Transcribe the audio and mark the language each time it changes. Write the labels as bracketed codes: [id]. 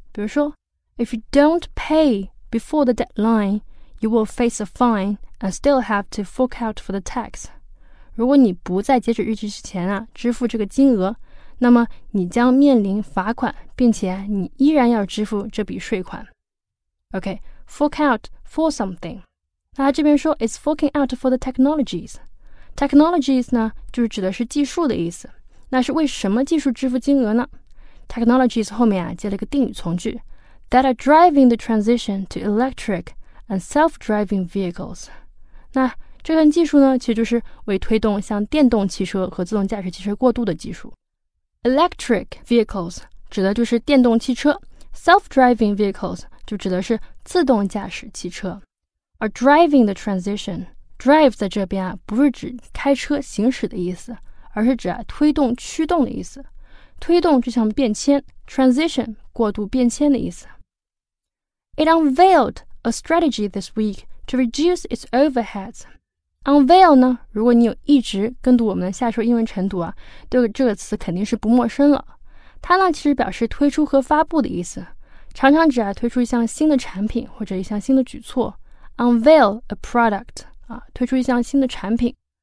[zh] 比如说 [en] ，If you don't pay before the deadline, you will face a fine and still have to fork out for the tax. [zh] 如果你不在截止日期之前啊支付这个金额，那么你将面临罚款，并且你依然要支付这笔税款。 [en] OK, fork out for something. [zh] 那他这边说 [en] it's forking out for the technologies. [zh] Technologies 呢就是指的是技术的意思。那是为什么技术支付金额呢？ [en] Technologies [zh] 后面啊接了个定语从句 [en] that are driving the transition to electric and self-driving vehicles. [zh] 那这项技术呢其实就是为推动像电动汽车和自动驾驶汽车过渡的技术。 [en] Electric vehicles [zh] 指的就是电动汽车。 [en] Self-driving vehicles [zh] 就指的是自动驾驶汽车，而 [en] driving the transition drive [zh] 在这边啊不是指开车行驶的意思，而是指、推动驱动的意思，推动这项变迁 transition 过渡变迁的意思。 [en] It unveiled a strategy this week to reduce its overheads. [zh] Unveil 呢，如果你有一直跟读我们的下周英文晨读啊，对这个词肯定是不陌生了。它呢其实表示推出和发布的意思，常常指推出一项新的产品或者一项新的举措。 [en] unveil a product [zh] 啊，推出一项新的产品。